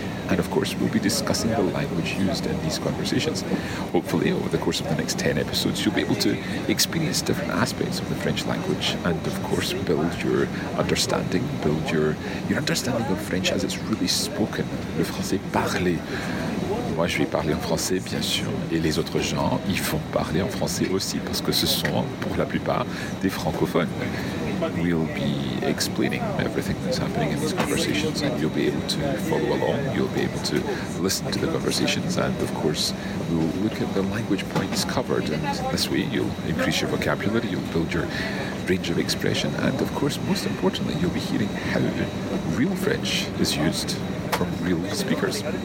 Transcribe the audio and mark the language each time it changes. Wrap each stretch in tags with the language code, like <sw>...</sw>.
<en>And of course, we'll be discussing the language used in these conversations. Hopefully, over the course of the next 10 episodes, you'll be able to experience different aspects of the French language and, of course, build your understanding of French as it's really spoken.</en> <fr>Le français parlé. Moi, je vais parler en français, bien sûr. Et les autres gens, ils vont parler en français aussi, parce que ce sont, pour la plupart, des francophones.</fr> <en>We'll be explaining everything that's happening in these conversations, and you'll be able to follow along, you'll be able to listen to the conversations, and of course we'll look at the language points covered, and this way you'll increase your vocabulary, you'll build your range of expression, and of course, most importantly, you'll be hearing how real French is used from real speakers.</en>